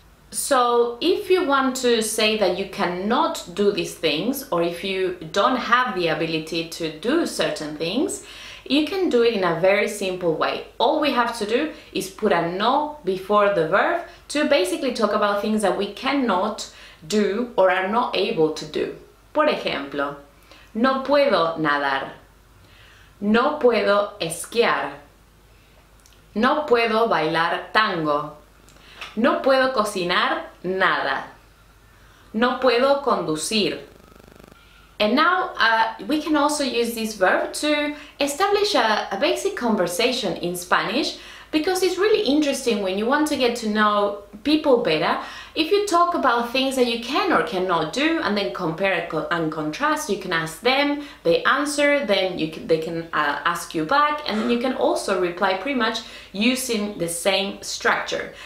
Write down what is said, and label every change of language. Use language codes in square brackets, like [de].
[en] So if you want to say that you cannot do these things, or if you don't have the ability to do certain things, you can do it in a very simple way. All we have to do is put a no before the verb to basically talk about things that we cannot do or are not able to do. [es] Por ejemplo, no puedo nadar, no puedo esquiar, no puedo bailar tango, no puedo cocinar nada, no puedo conducir. [en] And now we can also use this verb to establish a basic conversation in Spanish, because it's really interesting when you want to get to know people better. If you talk about things that you can or cannot do and then compare and contrast, you can ask them, they answer, then they can ask you back, and then you can also reply pretty much using the same structure.